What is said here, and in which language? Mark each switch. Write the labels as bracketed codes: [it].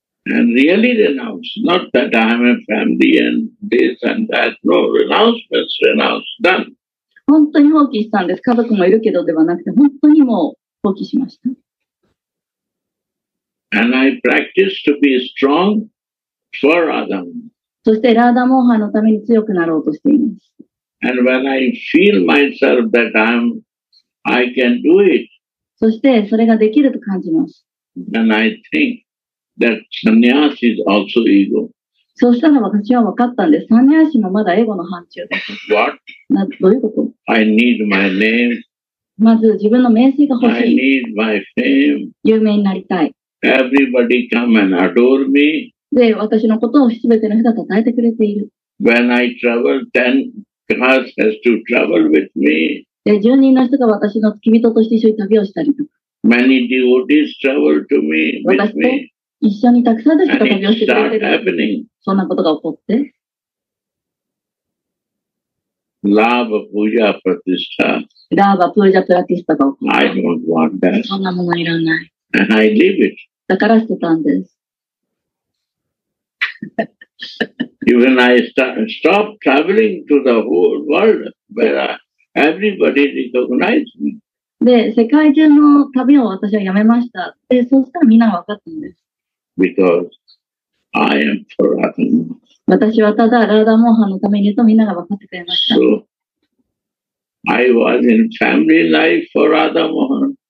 [en] And really renounce, not that I'm a family and this and that. No, renounce, just renounce, done. [ja] 本当に放棄したんです。家族もいるけどではなくて、本当にもう放棄しました。 [en] And I practice to be strong for Radha Mohan. [ja] そしてラーダモーハのために強くなろうとしています。 [en] And when I feel myself that I can do it, [ja] そしてそれができると感じます。 [en] Then I think that sannyas is also ego. [ja] そうしたら私は分かったんです。サンニャーシもまだエゴの範疇です。 [en] What? [ja] どういうこと [en] ？I need my name. [ja] まず自分の名声が欲しい。 [en] I need my fame. [ja] 有名になりたい。 [en] Everybody come and adore me. [ja] で、私のことをすべての人が称えてくれている。 [en] When I travel, then God has to travel with me. [ja] で、住人の人が私の付き人として一緒に旅をしたりとか。 [en] Many devotees travel to me, with me. [ja] 私と一緒にたくさんの人が旅をしてくれている。 [en] And it start happening. [ja] そんなことが起こって。ラーバ・プージャ・プラティスタ。ラーバ・プージャ・プラティスタが起こ [en] った。I don't want that. [ja] そんなものいらない。 [en] And I leave it. [ja] だから捨てたんです。 [en] Even I stop traveling to the whole world where everybody recognizes me. [ja] で、世界中の旅を私はやめました。で、そうしたらみんな分かったんです。 [en] Because I am for Radha Mohan. [ja] 私はただラーダモーハンのためにとみんなが分かってくれました。 [en] So I was in family life for Radha Mohan.